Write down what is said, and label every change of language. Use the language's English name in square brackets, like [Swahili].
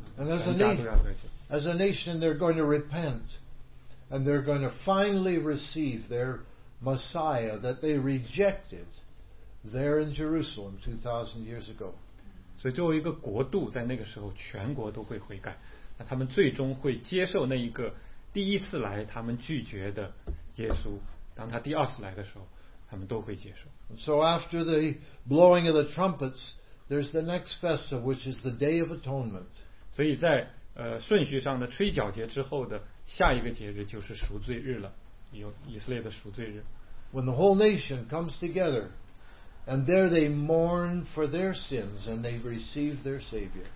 [English] And as a nation they're going to repent and they're going to finally receive their Messiah that they rejected there in Jerusalem 2000 years ago. [Chinese] 所以作为一个国度在那个时候全国都会悔改，那他们最终会接受那一个第一次来他们拒绝的耶稣，当他第二次来的时候他们都会接受。 [English] So after the blowing of the trumpets there's the next festival which is the Day of Atonement. [Chinese] 所以在顺序上的吹角节之后的下一个节日就是赎罪日了，有以色列的赎罪日。 [English] When the whole nation comes together and there they mourn for their sins and they receive their Savior.